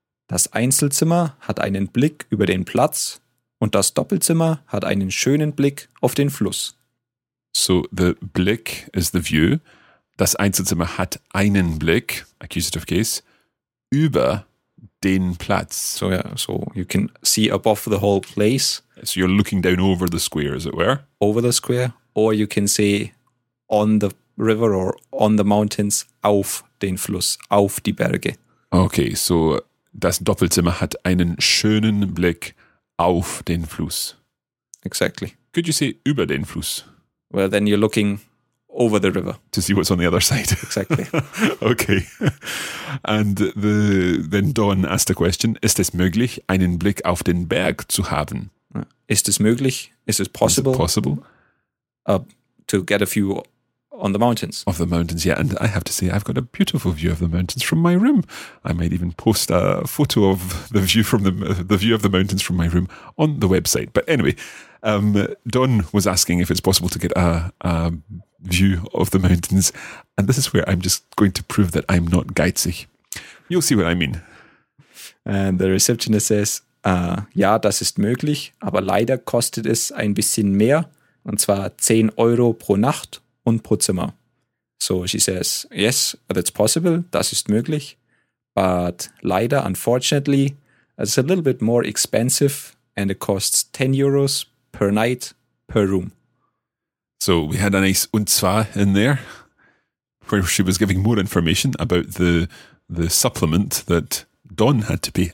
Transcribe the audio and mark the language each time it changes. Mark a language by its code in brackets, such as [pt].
[de] Das Einzelzimmer hat einen Blick über den Platz und das Doppelzimmer hat einen schönen Blick auf den Fluss. [en] So the Blick is the view. [de] Das Einzelzimmer hat einen Blick, [en] accusative case, [de] über den Platz. [en] So yeah, so you can see above the whole place. So you're looking down over the square, as it were. Over the square, or you can see on the river or on the mountains, [de] auf den Fluss, auf die Berge. [en] Okay, so [de] das Doppelzimmer hat einen schönen Blick auf den Fluss. [en] Exactly. Could you say [de] über den Fluss? [en] Well, then you're looking over the river. To see what's on the other side. Exactly. Okay. And then Don asked a question, [de] ist es möglich, einen Blick auf den Berg zu haben? Ist es möglich? [en] Is it possible? Is it possible? To get a view on the mountains. Of the mountains, yeah. And I have to say, I've got a beautiful view of the mountains from my room. I might even post a photo of the view from the view of the mountains from my room on the website. But anyway, Don was asking if it's possible to get a view of the mountains. And this is where I'm just going to prove that I'm not geizig. You'll see what I mean. And the receptionist says, [de] ja, das ist möglich, aber leider kostet es ein bisschen mehr, und zwar 10 Euro pro Nacht und pro Zimmer. [en] So she says, yes, that's possible, [de] das ist möglich, [en] but [de] leider, [en] unfortunately, it's a little bit more expensive and it costs 10 euros per night per room. So we had a nice [de] und zwar [en] in there, where she was giving more information about the supplement that Don had to pay.